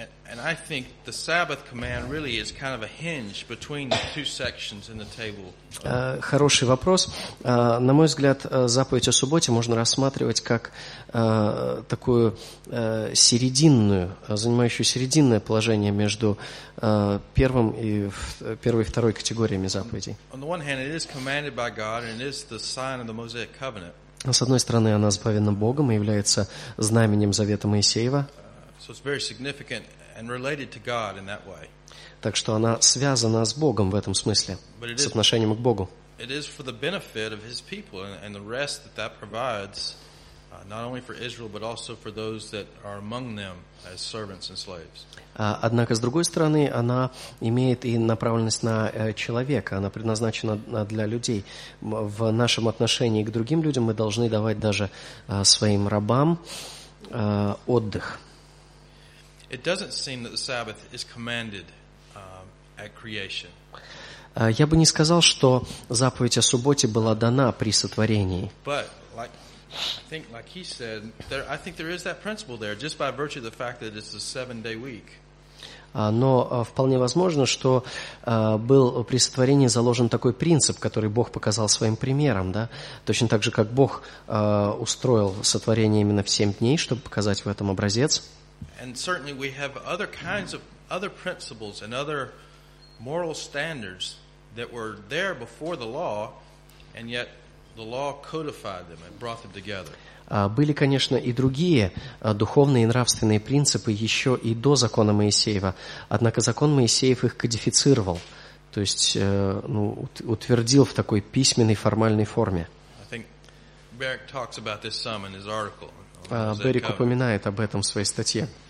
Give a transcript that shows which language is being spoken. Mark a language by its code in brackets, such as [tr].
[en] And I think the Sabbath command really is kind of a hinge between the two sections in the table. [ru] Хороший вопрос. На мой взгляд, заповедь о субботе можно рассматривать как такую серединную, занимающую серединное положение между первым и первой и второй категориями заповедей. [en] On the one hand, it is commanded by God and it is the sign of the Mosaic covenant. [ru] С одной стороны, она заповедана Богом и является знаменем Завета Моисеева. [en] So it's very significant and related to God in that way. [ru] Так что она связана с Богом в этом смысле, с отношением к Богу. [en] It is for the benefit of His people and the rest that that provides, not only for Israel but also for those that are among them as servants and slaves. [ru] Однако с другой стороны, она имеет и направленность на человека. Она предназначена для людей. В нашем отношении к другим людям мы должны давать даже своим рабам отдых. [en] It doesn't seem that the Sabbath is commanded at creation. [ru] Я бы не сказал, что заповедь о субботе была дана при сотворении. [en] But like I think, like he said, there, I think there is that principle there, just by virtue of the fact that it's a seven-day week. [ru] Но вполне возможно, что был при сотворении заложен такой принцип, который Бог показал своим примером, да? Точно так же, как Бог устроил сотворение именно в семь дней, чтобы показать в этом образец. [en] And certainly we have other kinds of other principles and other moral standards that were there before the law, and yet the law codified them and brought them together. [ru] Были, конечно, и другие духовные и нравственные принципы еще и до закона Моисеева. Однако закон Моисеев их кодифицировал, то есть утвердил в такой письменной формальной форме. [en] I think Beric talks about this some in his article. [ru] Берек упоминает об этом в своей статье.